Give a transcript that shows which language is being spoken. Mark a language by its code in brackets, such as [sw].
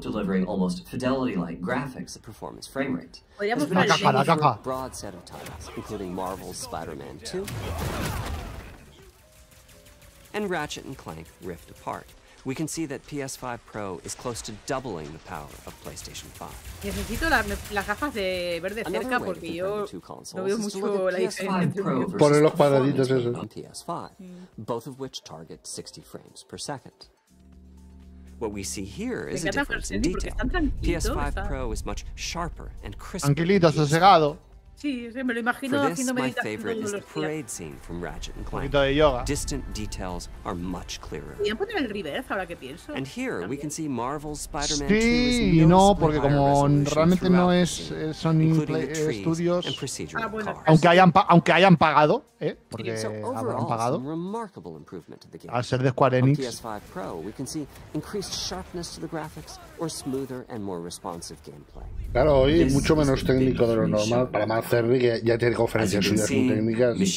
[en] delivering almost fidelity-like graphics at performance frame rate has been achieved for a broad set of titles, including Marvel's Spider-Man 2 and Ratchet and Clank Rift Apart. We can see that PS5 Pro is close to doubling the power of PlayStation 5. [es] Necesito las gafas de ver de cerca porque yo no veo mucho la diferencia. Poner los cuadraditos esos. [en] On PS5, both of which target 60 frames per second. What we see here is a difference in detail. PS5 Pro is much sharper and crisper. [es] Tranquilito, sosegado. Sí, me lo imagino haciendo meditación todos los días. [en] From Ratchet and Clank. [es] Un poquito de yoga. [en] Distant details are much clearer. [es] Voy a poner el reverse ahora que pienso. [en] And here we can see Marvel's Spider-Man 2. [es] Sí, no, porque como realmente no es Sony Studios, aunque hayan pagado, porque habrán pagado. Al ser de Square Enix. [en] PS5 Pro, we can see increased sharpness to the graphics or smoother and more responsive gameplay. [es] Claro, hoy mucho menos técnico de lo normal para más Zenry, que ya tiene conferencias suyas muy técnicas.